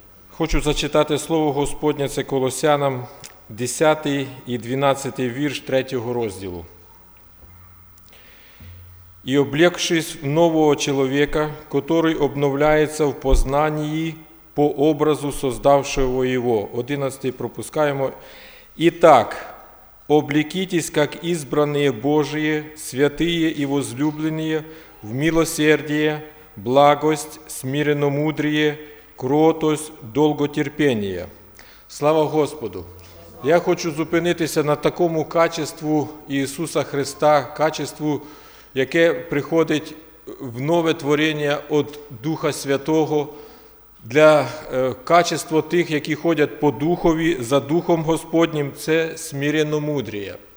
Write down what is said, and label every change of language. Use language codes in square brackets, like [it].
[uk] Хочу зачитати слово Господнє, це Колосянам 10 і 12 вірш 3 розділу. І облегшись в нового чоловіка, котрий обновляється в познанні по образу создавшого його. 11 пропускаємо. [ru] І так, облекитесь, как избранные Божии, святые и возлюбленные, в милосердие, благость, смиренно-мудрие, кротость, долготерпение. [uk] Слава Господу! Я хочу зупинитися на такому качеству Ісуса Христа, качеству, яке приходить в нове творіння від Духа Святого, для качества тих, які ходять по Духові, за Духом Господнім, це смиренно-мудрие.